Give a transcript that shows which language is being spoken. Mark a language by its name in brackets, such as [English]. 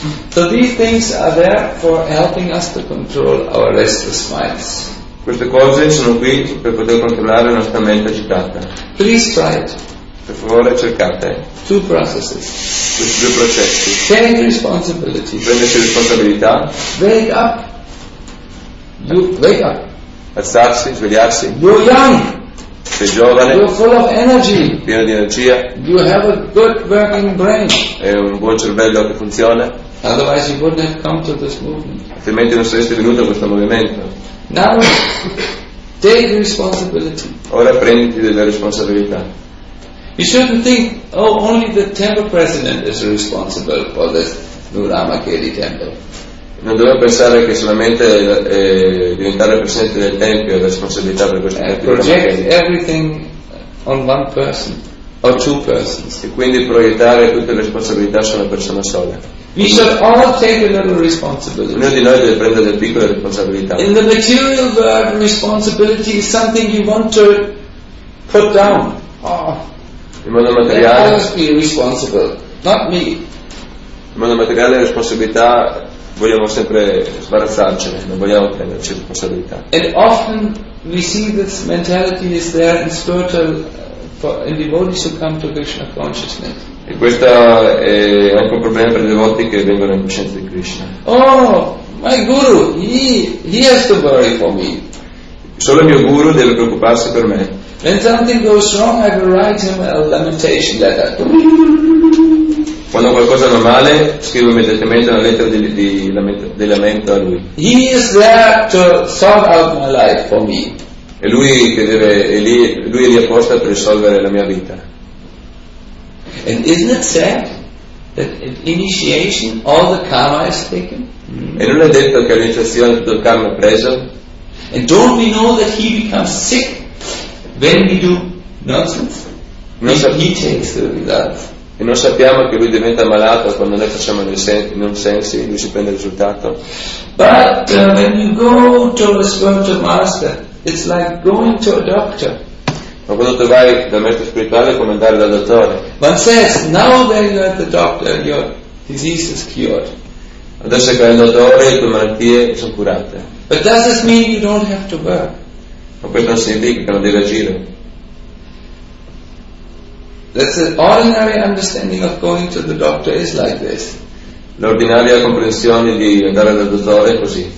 [English] So these things are there for helping us to control our restless minds. [Italian] Queste cose sono qui per poter controllare la nostra mente agitata. [English] Please try it. [Italian] per favore cercate [English] two processes. [Italian] Questi due processi. [English] Take responsibility. [Italian] Prendete responsabilità. [English] Wake up. You wake up. [Italian] Alzarsi, svegliarsi. [English] You're young. [Italian] Sei giovane. [English] You're full of energy. [Italian] Pieno di energia. [English] You have a good working brain. [Italian] È un buon cervello che funziona. [English] Otherwise you wouldn't have come to this movement. [Italian] Altrimenti non saresti venuto a questo movimento. [English] Now take responsibility. [Italian] Ora prenditi delle responsabilità. [English] You shouldn't think, oh, only the temple president is responsible for this Nuramakeri temple. [Italian] Non dovevo pensare che solamente diventare presidente del tempio è la responsabilità per questo tempio. [English] Project everything on one person or two persons. [Italian] E quindi proiettare tutte le responsabilità su una persona sola. [English] We should all take a little responsibility. [Italian] Ognuno di noi deve prendere delle piccole responsabilità. [English] In the material world, responsibility is something you want to put down. [Italian] Oh. In modo materiale. [English] Let us be responsible, not me. [Italian] In modo materiale, responsabilità vogliamo sempre sbarazzarcene, non vogliamo prenderci responsabilità. [English] And often we see this mentality is there in spiritual, for in devotees who come to Krishna consciousness. [Italian] E questo è anche un problema per i devoti che vengono in coscienza di Krishna. [English] Oh, my guru, he has to worry for me. [Italian] Solo il mio guru deve preoccuparsi per me. [English] When something goes wrong, I will write him a lamentation letter. [Italian] Quando qualcosa va male, scrivo immediatamente una lettera di lamento a lui. [English] He is there to sort out my life for me. [Italian] E lui che deve, lui è lì apposta per risolvere la mia vita. [English] And isn't it said that at initiation all the karma is taken? [Italian] E non è detto che all'iniziazione tutto il karma è preso? [English] And don't we know that he becomes sick when we do nonsense? He takes the results. [Italian] E non sappiamo che lui diventa malato quando noi facciamo nonsensi, lui si prende il risultato. [English] But when you go to a spiritual master, it's like going to a doctor. [Italian] Ma quando tu vai dal maestro spirituale è come andare dal dottore. [English] One says, now that you're at the doctor, your disease is cured. [Italian] Adesso che hai il dottore, le tue malattie sono curate. [English] But does this mean you don't have to work? [Italian] Ma questo non significa che non devi agire. [English] That's the ordinary understanding of going to the doctor is like this. [Italian] L'ordinaria comprensione di andare dal dottore è così.